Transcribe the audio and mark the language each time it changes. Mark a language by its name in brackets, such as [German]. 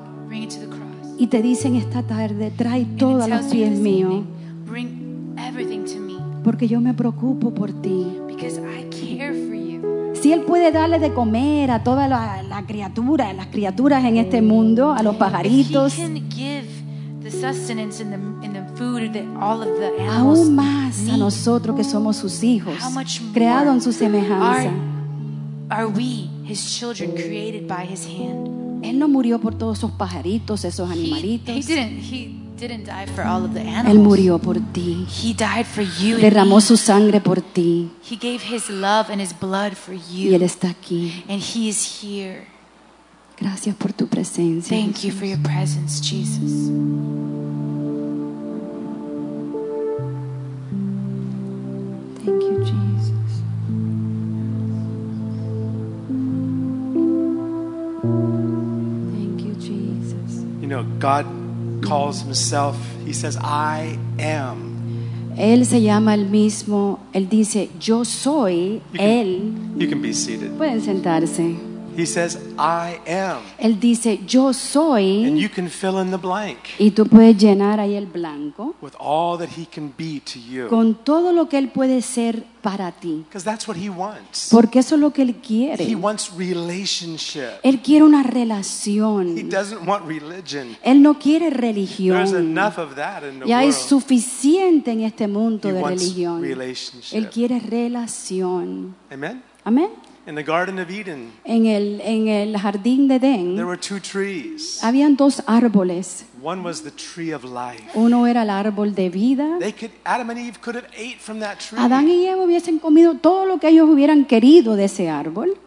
[English] Bring it to the cross. [Spanish] Y te dicen esta tarde, trae todo a los pies mío. [English] Bring everything to me. [Spanish] Porque yo me preocupo por ti. [English] Because I care for you. [Spanish] Si Él puede darle de comer a todas las criaturas en este mundo, a los pajaritos, [English] if he can give the sustenance in the food that all of the animals [Spanish] aún más [English] need, [Spanish] a nosotros que somos sus hijos, [English] how much more [Spanish] creado en su semejanza, [English] are we his children created by his hand? [Spanish] Él no murió por todos esos pajaritos, esos animalitos. [English] He didn't die for all of the animals. [Spanish] Él murió por ti. [English] He died for you. [Spanish] Derramó su sangre por ti. [English] He gave his love and his blood for you. [Spanish] Y Él está aquí. [English] And he is here. [Spanish] Gracias por tu presencia. [English] Thank [Spanish] Jesús. [English] You for your presence, Jesus. Thank you, Jesus. You know, God calls himself, he says, I am. [Spanish] Él se llama el mismo, él dice, yo soy él. [English] You can be seated. [Spanish] Pueden sentarse. [English] He says, I am. [Spanish] Él dice, yo soy. [English] And you can fill in the blank. [Spanish] Y tú puedes llenar ahí el blanco. [English] With all that he can be to you. [Spanish] Con todo lo que él puede ser para ti. [English] Because that's what he wants. [Spanish] Porque eso es lo que él quiere. [English] He wants relationship. [Spanish] Él quiere una relación. [English] He doesn't want religion. [Spanish] Él no quiere religión. [English] There's enough of that in the world. [Spanish] Ya hay suficiente en este mundo [English] he [Spanish] de religión. [English] Relationship. [Spanish] Él quiere relación. Amen. Amen. [English] In the Garden of Eden, [Spanish] en el jardín de Edén, [English] there were two trees. [Spanish] Habían dos árboles. [English] One was the tree of life. [Spanish] Uno era el árbol de vida. [English] They could, Adam and Eve could have ate from that tree. [Spanish] Adán y Eva hubiesen comido todo lo que ellos hubieran querido de ese árbol.